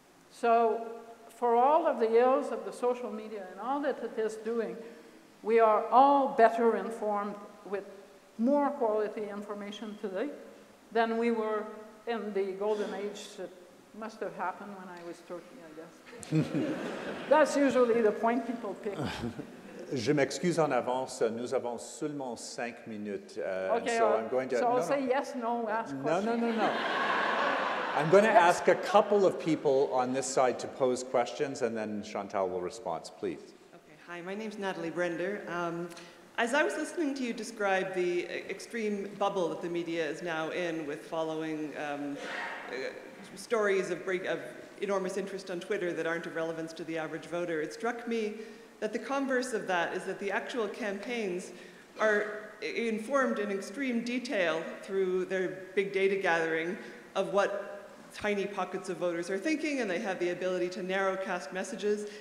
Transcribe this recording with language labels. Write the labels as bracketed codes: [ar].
[en] So, for all of the ills of the social media and all that it is doing, we are all better informed with more quality information today than we were in the golden age that must have happened when I was 30, I guess. That's usually the point people pick. [fr] Je m'excuse en avance, nous avons seulement 5 minutes. [en] I'm going to ask a couple of people on this side to pose questions, and then Chantal will respond, please. Okay. Hi, my name is Natalie Brender. As I was listening to you describe the extreme bubble that the media is now in with following stories of enormous interest on Twitter that aren't of relevance to the average voter, it struck me that the converse of that is that the actual campaigns are informed in extreme detail through their big data gathering of what tiny pockets of voters are thinking, and they have the ability to narrow cast messages.